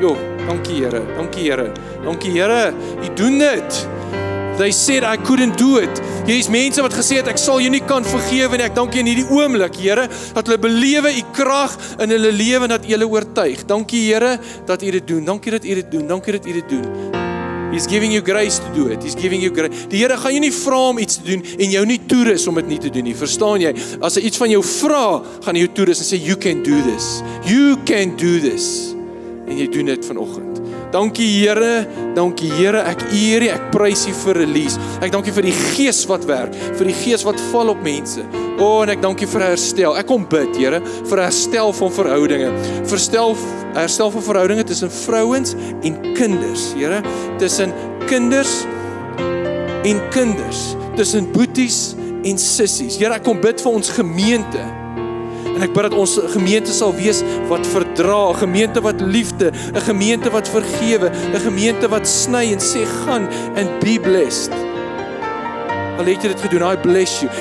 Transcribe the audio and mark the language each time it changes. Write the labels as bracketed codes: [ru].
[af] Jo, dankie Here, dankie Here, dankie Here, U doen dit. [en] They said I couldn't do it. [af] Jy is mense wat gesê het, ek sal jou nie kan vergewe nie. Ek dankie in hierdie oomblik, Here, dat hulle belewe U krag in hulle lewe en dat hulle oortuig. Dankie Here, dat U dit doen. Dankie dat U dit doen, dankie dat U dit doen. [en] He's giving you grace to do it. He's giving you grace. [af] Die Here gaan jou nie vra om iets te doen en jou nie toerus om dit nie te doen nie. Verstaan jy? As hy iets van jou vra, gaan hy jou toerus en sê, [en] you can do this. You can do this. [af] En jy doen dit vanoggend. Dankie Here, ek eer U, ek prys U vir release. Ek dankie vir die gees wat werk, vir die gees wat val op mense. O, en ek dankie vir herstel. Ek kom bid, Here, vir herstel van verhoudinge. Herstel van verhoudinge tussen vrouens en kinders, Here, tussen kinders en kinders, tussen boeties en sissies. Here, ek kom bid vir ons gemeente. En ek bid dat ons gemeente sal wees wat verdra, 'n gemeente wat liefde, 'n gemeente wat vergewe, 'n gemeente wat sny en sê gaan [en] and be blessed. [af] Al het jy dit gedoen, [en] I bless you.